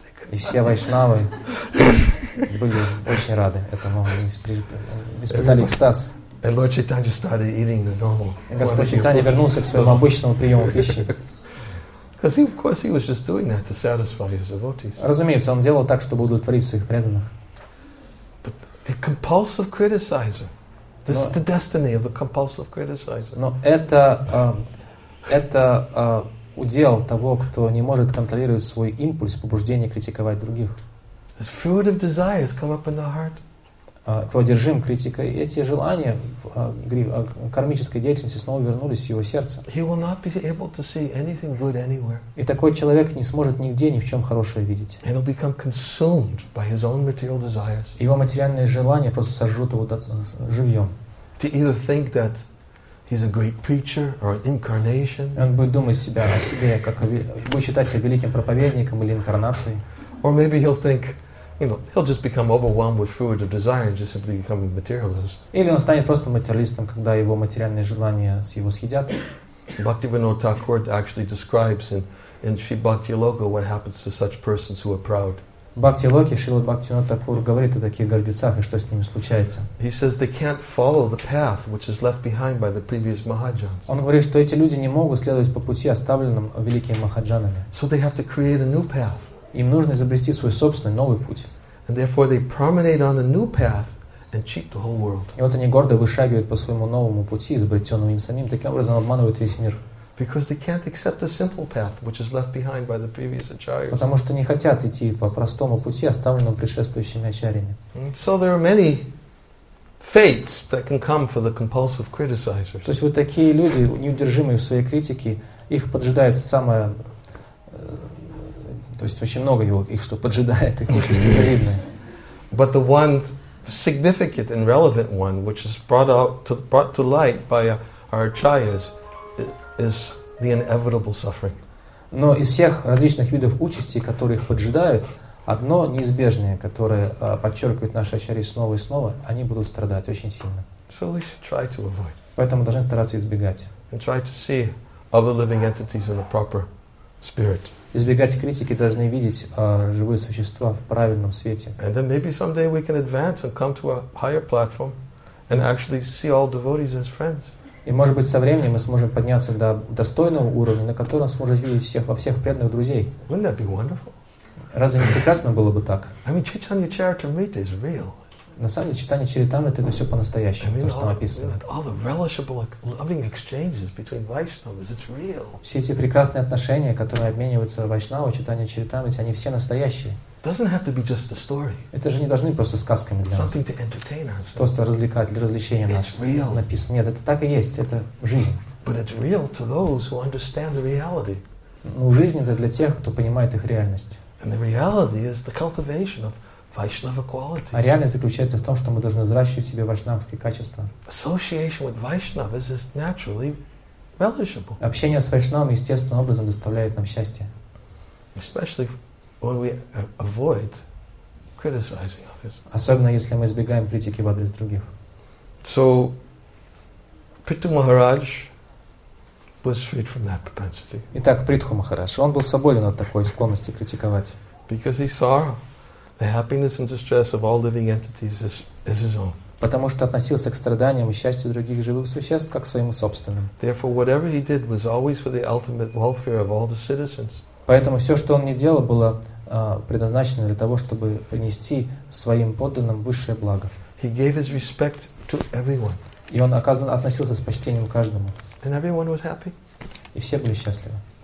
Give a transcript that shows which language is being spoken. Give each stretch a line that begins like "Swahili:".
Russian: И все вайшнавы были очень рады этому, испытали экстаз.
English: And Lord Chaitanya started eating the normal.
Russian: И Господь Чайтанья вернулся к своему обычному приему пищи.
English: Because of course he was just doing that to satisfy his devotees.
Russian: Разумеется, он делал так, чтобы удовлетворить своих преданных.
English: But the compulsive criticizer. This is the destiny of the compulsive criticizer.
Russian: Но это удел того, кто не может контролировать свой импульс, побуждение критиковать других.
English: The fruit of desires come up in the heart.
Russian: Кто одержим критикой, эти желания в кармической деятельности снова вернулись в его сердце.
English: He will not be able to see anything good anywhere.
Russian: И такой человек не сможет нигде ни в чем хорошее видеть.
English: And he'll become consumed by his own material desires.
Russian: Его материальные желания просто сожрут его живьем.
English: To either think that he's a great preacher or an incarnation.
Russian: Он будет думать о себе, как будет считать себя великим проповедником или инкарнацией.
English: Or maybe he'll think, you know, he'll just become overwhelmed with fruit of desire and just simply become a materialist.
Russian: Или он станет просто материалистом, когда его материальные желания его съедят.
English: Bhaktivinoda Thakur actually describes in Sri Bhakti Loka what happens to such persons who are proud.
Russian: Бхакти Локи, Шрила Бхактивинода Такур говорит о таких гордецах и что с ними случается.
English: He says they can't follow the path which is left behind by the previous mahajans.
Russian: Он говорит, что эти люди не могут следовать по пути, оставленным великими махаджанами.
English: So they have to create a new path.
Russian: Им нужно изобрести свой собственный новый путь.
English: And therefore they promenade on a new path and cheat the whole world.
Russian: И вот они гордо вышагивают по своему новому пути, изобретенному им самим, таким образом обманывают весь мир.
English: Because they can't accept the simple path which is left behind by the previous acharyas.
Russian: Потому что не хотят идти по простому пути, оставленному предшествующими ачарьями.
English: So there are many fates that can come for the compulsive criticizers.
Russian: То есть вот такие люди, неудержимые в своей критике, их поджидает самое. То есть очень много его, их что поджидает, их очень завидное.
English: But the one significant and relevant one, which is brought to light by our acharyas, is the inevitable suffering.
Russian: Но из всех различных видов участи, которые их поджидают, одно неизбежное, которое подчеркивает наши ачарьи снова и снова, они будут страдать очень сильно.
English: So we should try to avoid.
Russian: Поэтому должны стараться избегать.
English: And try to see other living entities in a proper spirit.
Russian: Избегать критики, должны видеть живые существа в правильном свете.
English: And then maybe someday we can advance and come to a higher platform and actually see all devotees as friends.
Russian: И, может быть, со временем мы сможем подняться до достойного уровня, на котором сможем видеть всех во всех преданных друзей.
English: Wouldn't that be wonderful?
Russian: Разве не прекрасно было бы так?
English: I mean, Chaitanya Charitamrita is real.
Russian: На самом деле, читание Чаритамриты — это все по-настоящему,
English: I mean,
Russian: то, что там описано.
English: All the relishable, loving exchanges between Vaishnavas, it's real.
Russian: Все эти прекрасные отношения, которые обмениваются Вайшнавы, читание Чаритамриты, они все настоящие.
English: Doesn't have to be just a story.
Russian: Это же не должны просто сказками для нас.
English: Something to entertain ourselves.
Russian: Что-то развлекать для развлечения нас.
English: It's real.
Russian: Написано. Нет, это так и есть, это жизнь.
English: But it's real to those who understand the reality.
Russian: Ну, жизнь — это для тех, кто понимает их реальность.
English: And the reality is the cultivation of Vaishnava qualities.
Russian: А реальность заключается в том, что мы должны взращивать в себе вайшнавские качества.
English: Association with Vaishnavas is naturally relishable.
Russian: Общение с вайшнавами естественным образом доставляет нам счастье.
English: Especially when we avoid criticizing others.
Russian: Особенно если мы избегаем критики в адрес других.
English: So Притху Махарадж was freed from that propensity.
Russian: Итак, Притху Махарадж, он был свободен от такой склонности критиковать.
English: Because he saw the happiness and distress of all living entities is his own.
Russian: Потому что относился к страданиям и счастью других живых существ как к своему собственному.
English: Therefore, whatever he did was always for the ultimate welfare of all the citizens.
Russian: Поэтому все, что он не делал, было предназначено для того, чтобы принести своим подданным высшее благо.
English: He gave his respect to everyone.
Russian: И он относился с почтением к каждому.
English: And everyone was happy.
Russian: И все были счастливы.